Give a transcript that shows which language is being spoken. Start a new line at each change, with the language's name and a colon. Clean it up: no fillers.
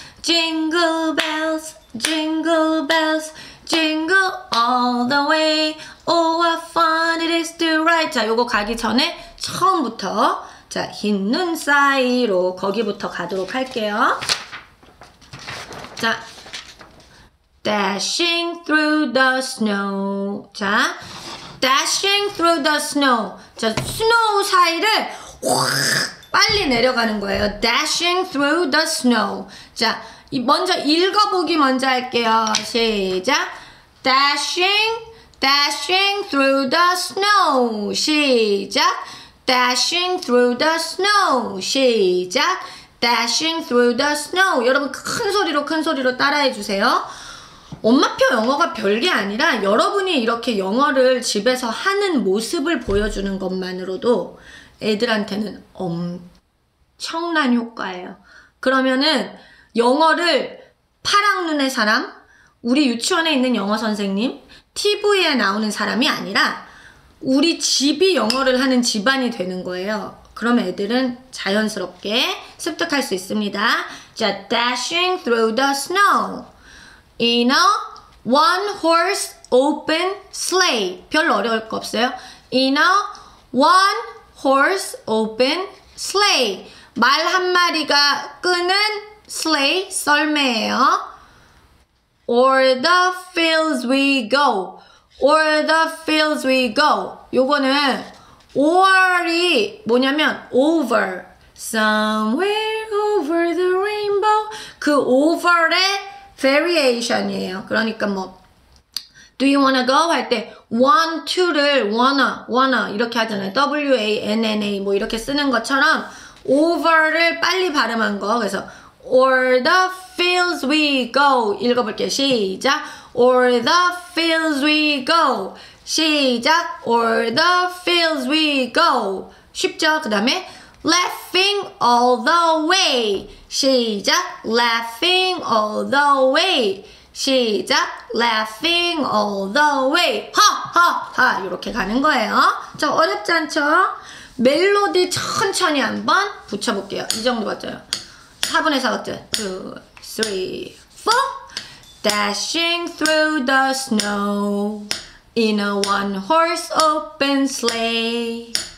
English: Jingle bells, jingle bells, jingle all the way. Oh, what fun it is to ride.
Korean: 자, 요거 가기 전에 처음부터 자, 흰 눈 사이로 거기부터 가도록 할게요.
English: 자, dashing through the snow. 자, dashing through the snow.
Korean: 자, 스노우 사이를 확 빨리 내려가는 거예요.
English: Dashing through the snow.
Korean: 자, 먼저 읽어보기 먼저 할게요. 시작.
English: Dashing, dashing through the snow.
Korean: 시작.
English: Dashing through the snow.
Korean: 시작.
English: Dashing through the snow.
Korean: 여러분 큰 소리로 따라해 주세요. 엄마표 영어가 별게 아니라 여러분이 이렇게 영어를 집에서 하는 모습을 보여주는 것만으로도 애들한테는 엄청난 효과예요. 그러면은 영어를 파랑눈의 사람, 우리 유치원에 있는 영어 선생님, TV에 나오는 사람이 아니라 우리 집이 영어를 하는 집안이 되는 거예요. 그럼 애들은 자연스럽게 습득할 수 있습니다.
English: 자, dashing through the snow. In a one horse open sleigh.
Korean: 별로 어려울 거 없어요.
English: In a one horse open sleigh.
Korean: 말 한 마리가 끄는 sleigh, 썰매예요.
English: Or the fields we go. Or the fields we go.
Korean: 요거는 or이 뭐냐면 over.
English: Somewhere over the rainbow.
Korean: 그 over에 variation이에요. 그러니까 뭐
English: Do you wanna go?
Korean: 할 때 want to를 wanna 이렇게 하잖아요. W-A-N-N-A 뭐 이렇게 쓰는 것처럼 over를 빨리 발음한 거. 그래서
English: Or the fields we go.
Korean: 읽어볼게요. 시작.
English: Or the fields we go.
Korean: 시작.
English: Or the fields we go.
Korean: 쉽죠? 그 다음에
English: Laughing all the way.
Korean: 시작.
English: Laughing all the way.
Korean: 시작.
English: Laughing all the way.
Korean: 하하하. 이렇게 가는 거예요. 자, 어렵지 않죠? 멜로디 천천히 한번 붙여볼게요. 이 정도 맞아요. 4분의 4박자. 2, 3, 4.
English: Dashing through the snow in a one horse open sleigh.